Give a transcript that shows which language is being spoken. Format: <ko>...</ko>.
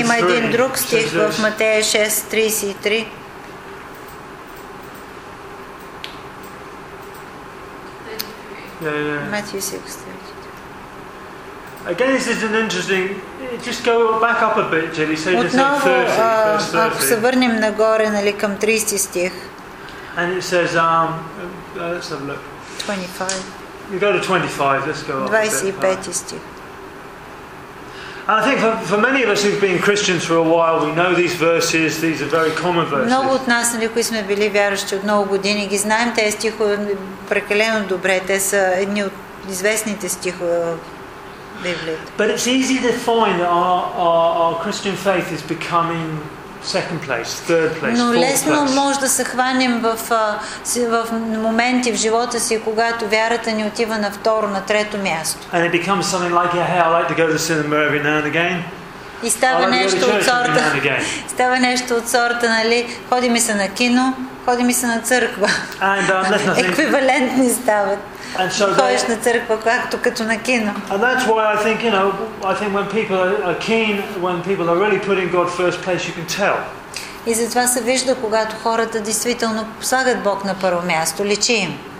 <bg>Има един друг стих в Матея 6:33.</bg> <en>Matthew 6:33. Again, this is an interesting. Just go back up a bit, Jenny. Say just 30.</en> <bg>Ако се върнем нагоре, нали, към 30 стих.</bg> <en>And it says, let's have a look. 25. You go to 25. Let's go up.</en> <bg>25 стих.</bg> <en>And I think for many of us who've been Christians for a while, we know these verses. These are very common verses.</en> <bg>Много от нас, нали, които сме били вярващи от много години, ги знаем тези стихове прекалено добре. Те са едни от известните стихове.</bg> <en>But it's easy to find that our Christian faith is becoming second place, third place, fourth place.</en> <bg>Но лесно може да се хванем в моменти в живота си, когато вярата ни отива на второ, на трето място.</bg> <en>And it becomes something like, hey, I like to go to the cinema every now and again.</en> <bg>И става нещо от сорта. Става нещо от сорта, нали? Ходи ми се на кино, ходи ми се на църква. Еквивалентни стават. Ходиш на църква както като на кино.</bg> <en>And that's why I think, you know, I think when people are keen, when people are really putting God first place, you can tell.</en> <bg>И затова се вижда, когато хората действително слагат Бог на първо място, личи им.</bg>